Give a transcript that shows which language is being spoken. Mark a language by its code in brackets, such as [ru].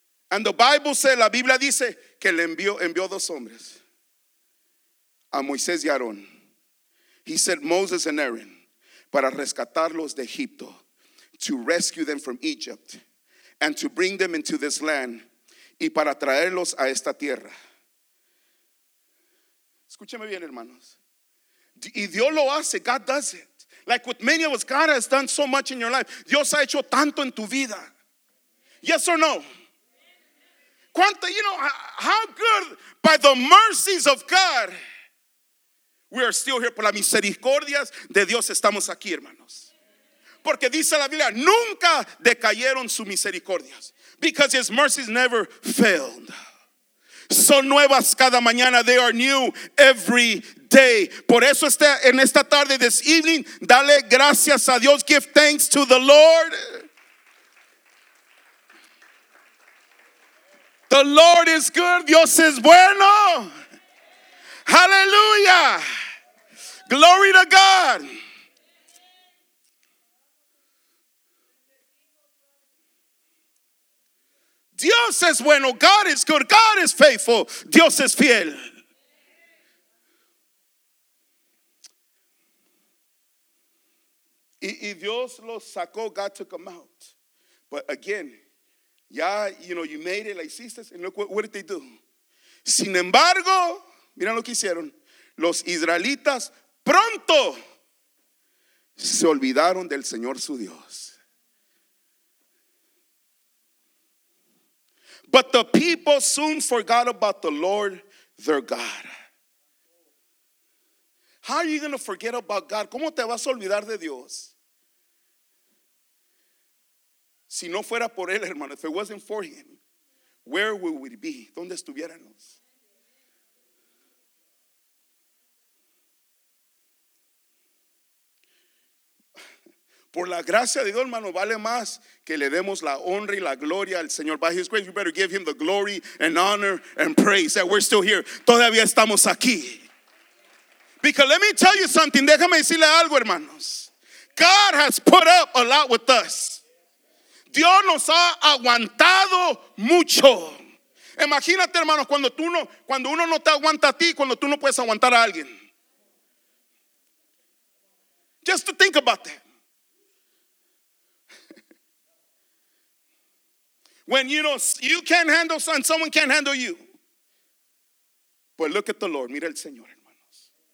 [en] And the Bible says, [es] la Biblia dice que le envió dos hombres. A Moisés y Aarón. [en] He said Moses and Aaron. [es] Para rescatarlos de Egipto. [en] To rescue them from Egypt. And to bring them into this land. [es] Y para traerlos a esta tierra. Escúcheme bien, hermanos. Y Dios lo hace. [en] God does it. Like with many of us, God has done so much in your life. [es] Dios ha hecho tanto en tu vida. [en] Yes or no? You know, how good, by the mercies of God, we are still here. [es] Por las misericordias de Dios estamos aquí, hermanos. Porque dice la Biblia, nunca decayeron sus misericordias. [en] Because his mercies never failed. [es] Son nuevas cada mañana. [en] They are new every day. [es] Por eso está en esta tarde, [en] this evening, [es] dale gracias a Dios. [en] Give thanks to the Lord. The Lord is good. [es] Dios es bueno. [en] Hallelujah. Glory to God. [es] Dios es bueno. [en] God is good. God is faithful. [es] Dios es fiel. Y Dios lo sacó. [en] God took him out. But again, ya, you know, you made it, [es] la hiciste. [en] And look, what did they do? [es] Sin embargo, miren lo que hicieron. Los israelitas pronto se olvidaron del Señor su Dios. [en] But the people soon forgot about the Lord their God. How are you going to forget about God? [es] ¿Cómo te vas a olvidar de Dios? Si no fuera por él, hermano, [en] if it wasn't for him, where would we be? [es] ¿Dónde estuviéramos? Por la gracia de Dios, hermano, vale más que le demos la honra y la gloria al Señor. [en] By his grace, you better give him the glory and honor and praise that we're still here. [es] Todavía estamos aquí. [en] Because let me tell you something. [es] Déjame decirle algo, hermanos. [en] God has put up a lot with us. [es] Dios nos ha aguantado mucho. Imagínate, hermanos, cuando uno no te aguanta a ti, cuando tú no puedes aguantar a alguien. [en] Just to think about that. When you know you can't handle something, someone can't handle you. But look at the Lord. [es] Mira el Señor, hermanos.